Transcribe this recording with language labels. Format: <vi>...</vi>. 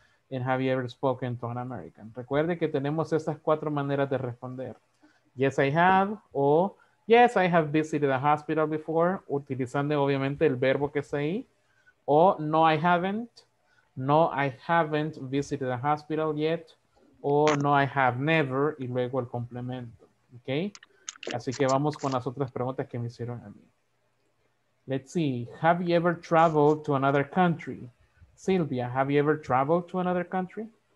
<en>And have you ever spoken to an American?</en> <es>Recuerde que tenemos estas cuatro maneras de responder.</es> <en>Yes, I have. O yes, I have visited a hospital before.</en> <es>Utilizando obviamente el verbo que está ahí. O</es> <en>no, I haven't. No, I haven't visited a hospital yet. O no, I have never.</en> <es>Y luego el complemento. Okay. Así que vamos con las otras preguntas que me hicieron a mí.</es> <en>Let's see. Have you ever traveled to another country? Silvia, have you ever traveled to another country?</en>